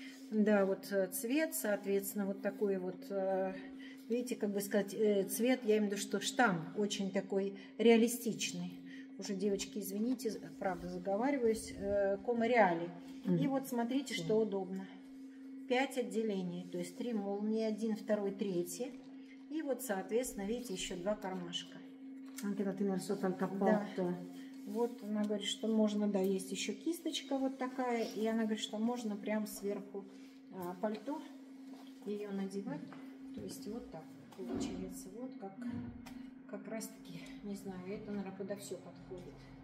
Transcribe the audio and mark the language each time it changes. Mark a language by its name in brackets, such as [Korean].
[Russian] Да, вот цвет, соответственно, вот такой вот, видите, как бы сказать, цвет, я имею в виду, что штамп очень такой реалистичный. Уже, девочки, извините, правда, заговариваюсь, комо-реали. И вот смотрите, что удобно. 5 отделений, то есть 3 молнии, 1, 2, 3. И вот, соответственно, видите, еще 2 кармашка. [Italian] Anche la tenere sotto al cappotto. [Russian] Вот она говорит, что можно, да, есть еще кисточка вот такая. И она говорит, что можно прямо сверху пальто ее надевать. То есть вот так получается. Вот как раз таки, не знаю, это, наверное, куда все подходит.